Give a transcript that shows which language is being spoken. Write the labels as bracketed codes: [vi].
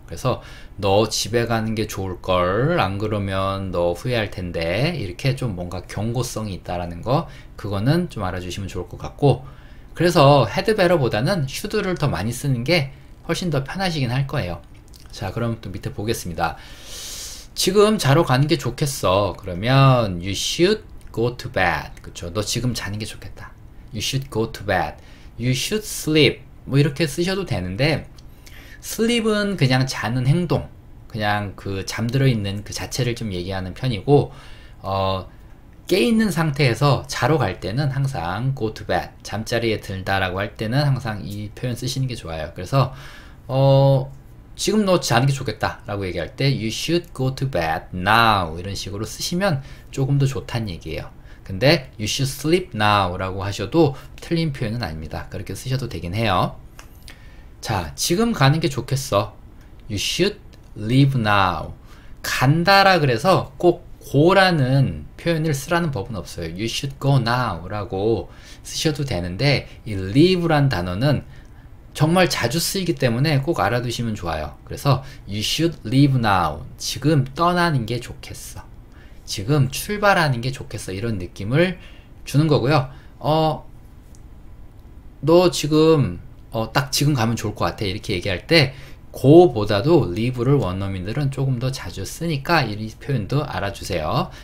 [ko] 그래서 너 집에 가는 게 좋을 걸 안 그러면 너 후회할 텐데 이렇게 좀 뭔가 경고성이 있다라는 거 그거는 좀 알아주시면 좋을 것 같고 그래서 had better보다는 should를 더 많이 쓰는 게 훨씬 더 편하시긴 할 거예요. 자 그럼 또 밑에 보겠습니다. 지금 자러 가는 게 좋겠어. 그러면 [en] you should go to bed. [ko] 그쵸? 너 지금 자는 게 좋겠다. [en] You should go to bed. You should sleep. [ko] 뭐 이렇게 쓰셔도 되는데 sleep은 그냥 자는 행동 그냥 그 잠들어 있는 그 자체를 좀 얘기하는 편이고 깨있는 상태에서 자러 갈 때는 항상 go to bed. 잠자리에 들다 라고 할 때는 항상 이 표현 쓰시는 게 좋아요. 그래서 지금 너 자는 게 좋겠다 라고 얘기할 때 [en] you should go to bed now [ko] 이런 식으로 쓰시면 조금 더 좋다는 얘기예요. 근데 [en] you should sleep now [ko] 라고 하셔도 틀린 표현은 아닙니다. 그렇게 쓰셔도 되긴 해요. 자 지금 가는 게 좋겠어. [en] you should leave now. [ko] 간다라 그래서 꼭 go라는 표현을 쓰라는 법은 없어요. [en] You should go now [ko] 라고 쓰셔도 되는데, 이 leave란 단어는 정말 자주 쓰이기 때문에 꼭 알아두시면 좋아요. 그래서 [en] you should leave now. [ko] 지금 떠나는 게 좋겠어. 지금 출발하는 게 좋겠어. 이런 느낌을 주는 거고요. 너 지금 딱 지금 가면 좋을 것 같아. 이렇게 얘기할 때 go보다도 leave를 원어민들은 조금 더 자주 쓰니까 이 표현도 알아주세요.